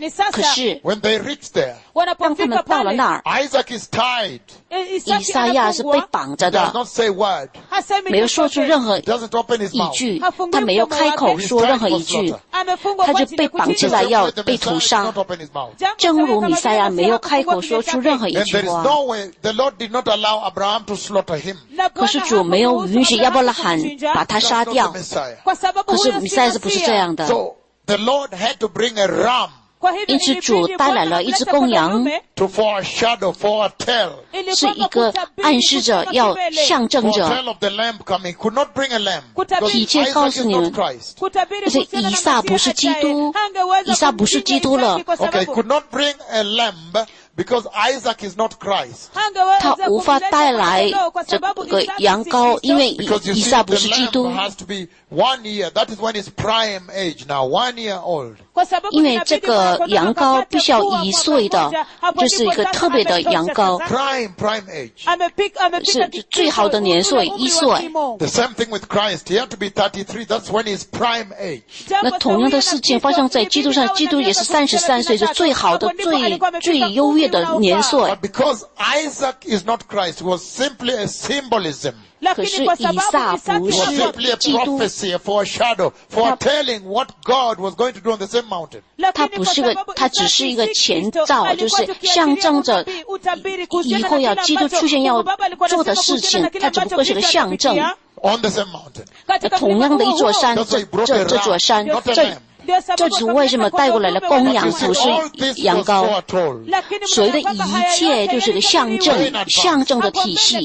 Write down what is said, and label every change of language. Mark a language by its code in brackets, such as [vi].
[zh] 可是, [en] when they reach there, [zh] 当他们到了那儿, [en] Isaac is tied. [zh] 以撒亚是被绑着的, [en] does not say word, [zh] 没有说出任何, [en] doesn't open his mouth, [zh] 他没有开口说任何一句, 他就被绑起来要被屠杀, [en] and there is no way the Lord did not allow Abraham to slaughter him. [zh] 可是主没有允许亚伯拉罕把他杀掉, 可是弥赛亚是不是这样的, [en] so the Lord had to bring a ram. [zh] 因此主带来了一只公羊, [en] to foreshadow, foretell, [zh] 是一个暗示着，要象征着, [en] could not bring a lamb, because Isaac is not Christ. [zh] 以撒不是基督，以撒不是基督了。 [en] Okay, could not bring a lamb Because Isaac is not Christ. [zh] 他无法带来这个羊羔, [en] because you see, the lamb has to be 1 year. That is when it's prime age now, 1 year old. [zh] 因为这个羊羔必须要一岁的, 就是一个特别的羊羔, [en] prime age. [zh] 是最好的年岁, 一岁。 [en] The same thing with Christ. He had to be 33. That's when he's prime age. [zh] 那同样的事情发生在基督上, 基督也是33岁, 是最好的, 最优越的。 [en] But because Isaac is not Christ, it was simply a symbolism. It was simply a prophecy, a foreshadow, foretelling what God was going to do on the same mountain. [zh] 它只是一个前兆, 就是象征着以后要基督出现要做的事情, 它只不过是个象征, [en] on the same mountain. [zh] 同样的一座山, 这座山, 这只为什么带过来的公羊不是羊羔, 所谓的一切就是个象征, 象征的体系。